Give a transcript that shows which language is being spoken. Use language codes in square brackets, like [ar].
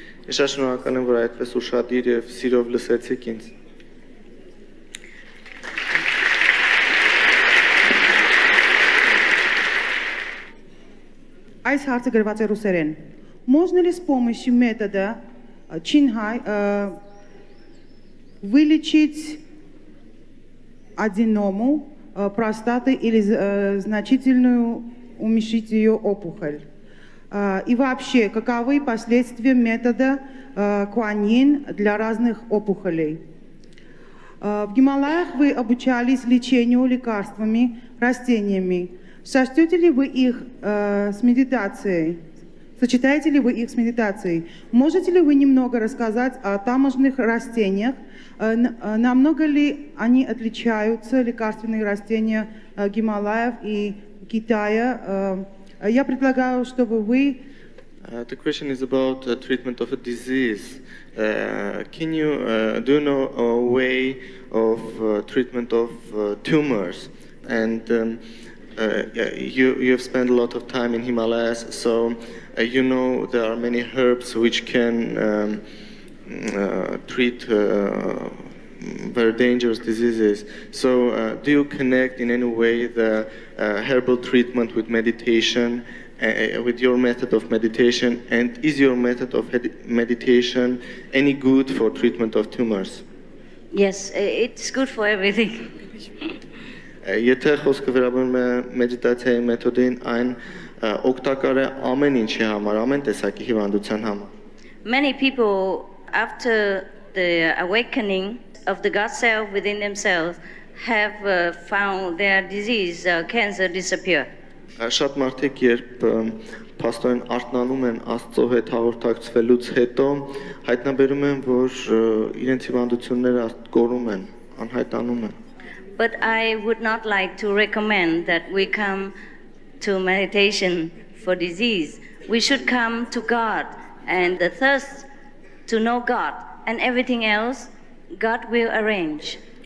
[hy] Ես շնորհակալ եմ, որ այդպես ուրախadir եւ սիրով լսեցիք ինձ։ Այս հարցը գրված է ռուսերեն։ [ru] Можно ли с помощью метода Чинхай вылечить аденому простаты или значительную уменьшить её опухоль? И вообще, каковы последствия метода Куанин для разных опухолей? В Гималаях вы обучались лечению лекарствами, растениями. Сочетаете ли вы их с медитацией? Сочетаете ли вы их с медитацией? Можете ли вы немного рассказать о тамошних растениях? Намного ли они отличаются, лекарственные растения Гималаев и Китая? Я предлагаю, чтобы вы... [en] The question is about treatment of a disease. Do you know a way of treatment of tumors? And you have spent a lot of time in Himalayas, so you know there are many herbs which can treat very dangerous diseases. So do you connect in any way the herbal treatment with meditation, with your method of meditation, and is your method of meditation any good for treatment of tumors? Yes, it's good for everything. [hy] Եթե խոսքը վերաբերում է մեդիտացիայի մեթոդին, այն օգտակար է ամեն ինչի համար, ամեն տեսակի հիվանդության համար. [en] Many people after the awakening of the God self within themselves have found their disease, cancer disappear. [hy] Շատ մարդիկ, երբ փաստորեն արթնանում են Աստծո հետ հաղորդակցվելուց հետո, հայտնաբերում են, որ իրենց հիվանդությունները կորում են, անհայտանում են. [en] But I would not like to recommend that we come to meditation for disease. We should come to God and the thirst to know God, and everything else God will arrange.